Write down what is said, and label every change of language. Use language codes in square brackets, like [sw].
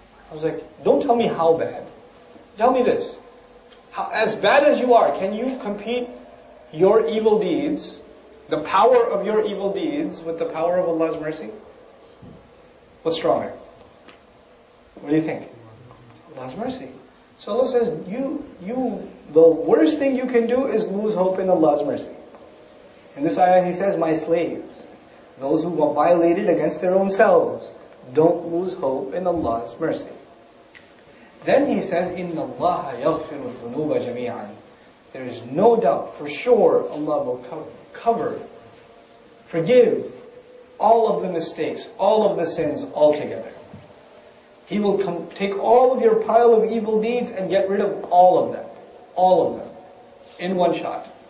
[en] I was like, don't tell me how bad. Tell me this. How, as bad as you are, can you compete your evil deeds, the power of your evil deeds, with the power of Allah's mercy? What's stronger? What do you think? Allah's mercy. So Allah says, you, the worst thing you can do is lose hope in Allah's mercy. In this ayah, He says, my slaves, those who were violated against their own selves, don't lose hope in Allah's mercy. Then He says, [ar] إِنَّ اللَّهَ يَغْفِرُ الذُّنُوبَ جَمِيعًا. [en] There is no doubt, for sure, Allah will cover, forgive all of the mistakes, all of the sins altogether. He will take all of your pile of evil deeds and get rid of all of them. All of them. In one shot.